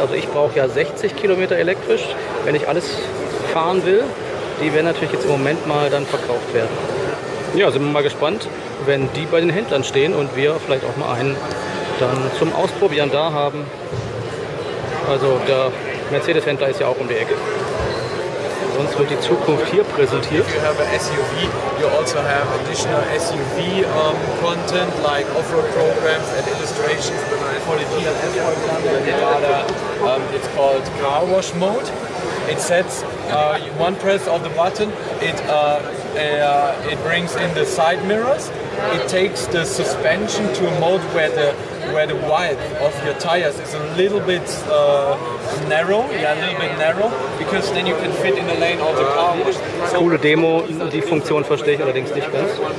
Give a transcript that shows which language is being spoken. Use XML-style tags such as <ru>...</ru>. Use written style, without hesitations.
<de>Also ich brauche ja 60 Kilometer elektrisch, wenn ich alles fahren will. Die werden natürlich jetzt im Moment mal dann verkauft werden. Ja, sind wir mal gespannt, wenn die bei den Händlern stehen und wir vielleicht auch mal einen dann zum Ausprobieren da haben. Also der Mercedes-Händler ist ja auch um die Ecke. Sonst wird die Zukunft hier präsentiert.</de> <en>You have a SUV, you also have additional SUV content, like off-road programs and illustrations for the DLS program. It's called Car Wash Mode. It sets one press of the button, it brings in the side mirrors, it takes the suspension to a mode where the width of your tires is a little bit narrow, because then you can fit in the lane of the car.</en> <de>Coole Demo, die Funktion verstehe ich allerdings nicht ganz.</de>